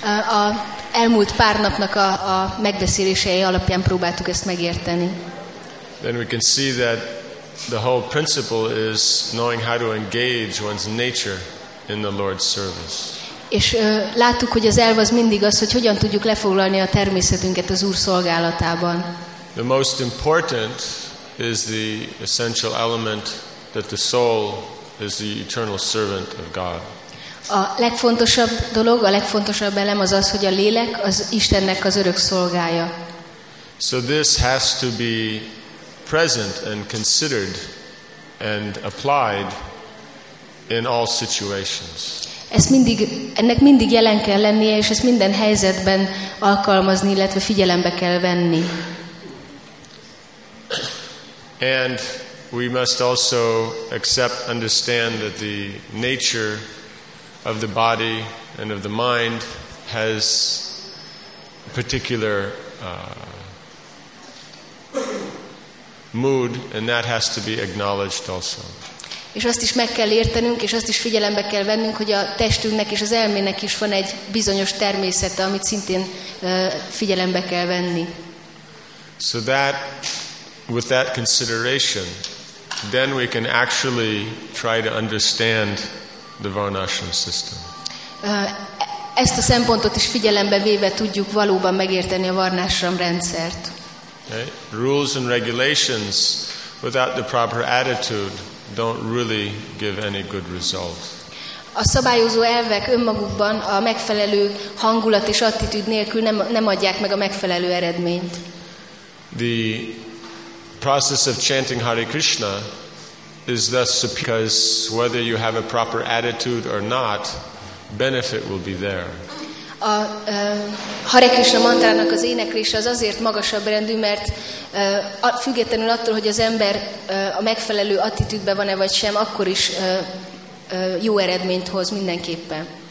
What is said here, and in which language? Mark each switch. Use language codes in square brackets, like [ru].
[hu] a elmúlt pár napnak a megbeszélései alapján próbáltuk ezt megérteni. [en] Then we can see that the whole principle is knowing how to engage one's nature in the Lord's service. [hu] És láttuk, hogy az elv az mindig az, hogy hogyan tudjuk lefoglalni a természetünket az Úr szolgálatában. [en] The most important is the essential element that the soul is the eternal servant of God. [hu] A legfontosabb dolog, a legfontosabb elem az az, hogy a lélek az Istennek az örök szolgája. [en] So this has to be present and considered and applied in all situations. [hu] Ennek mindig jelen kell lennie, és ezt minden helyzetben alkalmazni, illetve figyelembe kell venni. [en] And we must also accept, understand that the nature of the body and of the mind has a particular mood, and that has to be acknowledged also. [hu] És azt is meg kell értenünk, és azt is figyelembe kell vennünk, hogy a testünknek és az elmének is van egy bizonyos természete, amit szintén figyelembe kell venni. [en] So that, with that consideration, then we can actually try to understand the Varnashram system. [hu] Ezt a szempontot is figyelembe véve tudjuk valóban megérteni a Varnashram rendszert. [en] Okay. Rules and regulations without the proper attitude don't really give any good result. [hu] A szabályozó elvek önmagukban a megfelelő hangulat és attitűd nélkül nem adják meg a megfelelő eredményt. [en] The process of chanting Hare Krishna is thus because whether you have a proper attitude or not, benefit will be there. [hu] A Hare Krishna mantrának az éneklése az azért magasabb rendű, mert függetlenül attól, hogy az ember a megfelelő attitűdben van-e vagy sem, akkor is jó eredményt hoz mindenképpen.